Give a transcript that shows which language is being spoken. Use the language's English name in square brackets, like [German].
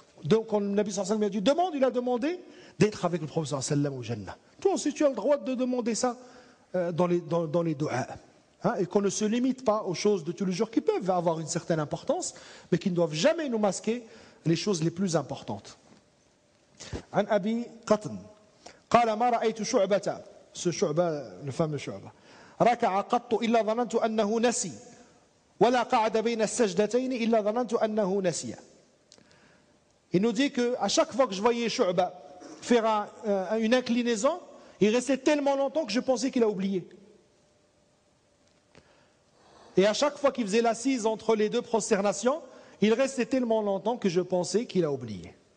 [French] Donc, quand le Nabi sallallahu alayhi wa sallam a dit, demande, il a demandé d'être avec le prophète sallallahu alayhi wa sallam au Jannah. Toi aussi, tu as le droit de demander ça. Dans les du'as, hein, et qu'on ne se limite pas aux choses de tous les jours qui peuvent avoir une certaine importance, mais qui ne doivent jamais nous masquer les choses les plus importantes. [Arabic] An Abi Qatn, قال ما رأيت شعبة, [French] ce شعبة, le fameux شعبة, [Arabic] ركع قط إلا ظننت أنه نسي, ولا قعد بين السجدتين إلا ظننت أنه نسي. [French] Il nous dit que à chaque fois que je voyais شعبة faire une inclinaison, il restait tellement longtemps que je pensais qu'il a oublié. Et à chaque fois qu'il faisait l'assise entre les deux prosternations, Il restait tellement longtemps que je pensais qu'il a oublié.